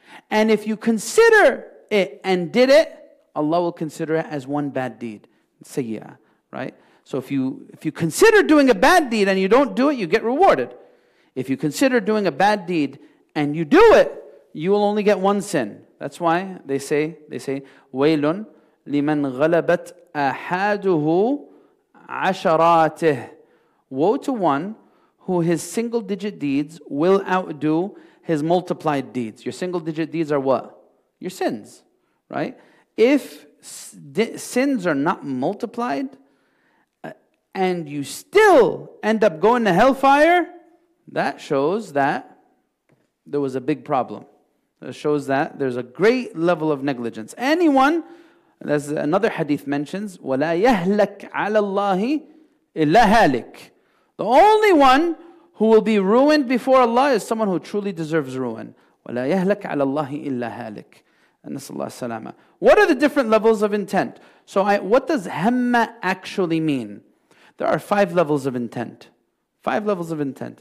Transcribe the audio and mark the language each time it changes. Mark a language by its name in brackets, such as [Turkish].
[English] And if you consider it and did it, Allah will consider it as one bad deed. Sayyi'ah, right? So if you consider doing a bad deed and you don't do it, you get rewarded. If you consider doing a bad deed and you do it, you will only get one sin. That's why they say, [Arabic] وَيْلٌ لِمَنْ غَلَبَتْ أَحَادُهُ عَشَرَاتِهِ. [English] Woe to one who his single-digit deeds will outdo his multiplied deeds. Your single digit deeds are what? Your sins, right? If sins are not multiplied and you still end up going to hellfire, that shows that there was a big problem. That shows that there's a great level of negligence. Anyone, as another hadith mentions, [Arabic] وَلَا يَهْلَكْ عَلَى اللَّهِ إِلَّا هَالِكَ. [English] The only one who will be ruined before Allah is someone who truly deserves ruin. [Arabic] وَلَا يَهْلَكْ عَلَى اللَّهِ إِلَّا هَالِكَ. نَسَأَلُ اللَّهَ السَّلَامَةَ. [English] What are the different levels of intent? So what does hamma actually mean? There are 5 levels of intent. 5 levels of intent.